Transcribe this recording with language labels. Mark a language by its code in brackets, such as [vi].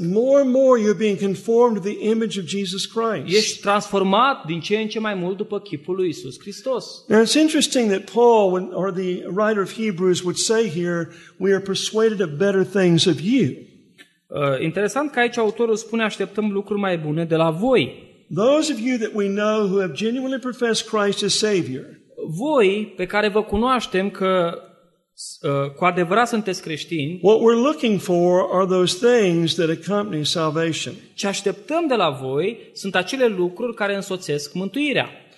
[en] More and more you're being conformed to the image of Jesus Christ. [ro] Ești transformat din ce în ce mai mult după chipul lui Iisus Hristos. [en] Now it's interesting that Paul, or the writer of Hebrews, would say here, we are persuaded of better things of you. [ro] Interesant că aici autorul spune așteptăm lucruri mai bune de la voi. [en] Those of you that we know who have genuinely professed Christ as Savior. [ro] Voi pe care vă cunoaștem că cu adevărat sunteți creștini. [en] What we're looking for are those things that accompany salvation. [ro] Ce așteptăm de la voi sunt acele lucruri care însoțesc mântuirea.